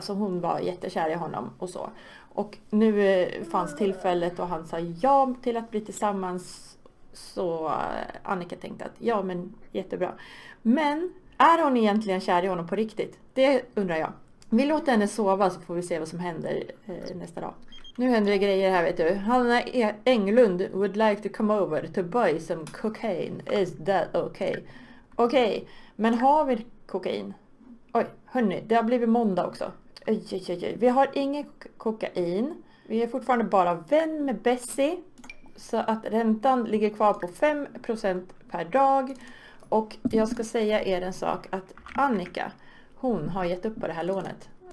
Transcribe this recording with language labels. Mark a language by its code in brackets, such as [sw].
[sv] Så hon var jättekär i honom och så. Och nu fanns tillfället och han sa ja till att bli tillsammans. Så Annika tänkte att ja, men jättebra. Men är hon egentligen kär i honom på riktigt? Det undrar jag. Vi låter henne sova så får vi se vad som händer nästa dag. Nu händer det grejer här, vet du. [en] Hanna Englund would like to come over to buy some cocaine. Is that okay? [sv] Okej, men har vi kokain? Oj, hörni, det har blivit måndag också. Oj. Vi har ingen kokain. Vi är fortfarande bara vän med Bessie. Så att räntan ligger kvar på 5% per dag. Och jag ska säga er en sak. Att Annika, hon har gett upp på det här lånet.